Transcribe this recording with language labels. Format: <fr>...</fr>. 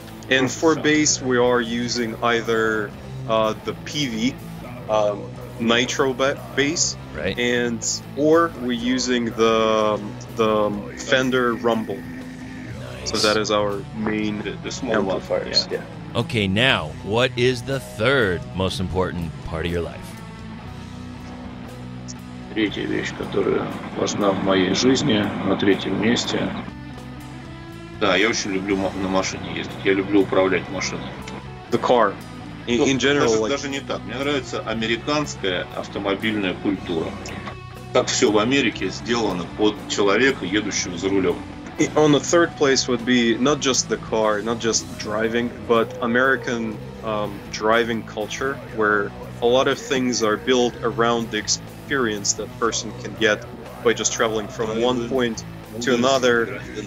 <en>And for bass, we are using either the PV Nitro bass, right, and or we're using the Fender Rumble. Nice. So that is our main small amplifiers. Yeah. Okay, now what is the third most important part of your life?</en> <ru>Третья вещь, которая важна в моей жизни, на третьем месте. Да, я очень люблю на машине ездить. Я люблю управлять машиной.</ru> <en>The car. In general,</en> <ru>даже не так. Мне нравится американская автомобильная культура. Как все в Америке сделано под человека, едущего за рулем.</ru> <en>On the third place would be not just the car, not just driving, but American driving culture, where a lot of things are built around the experience that person can get by just traveling from one point to another.</en>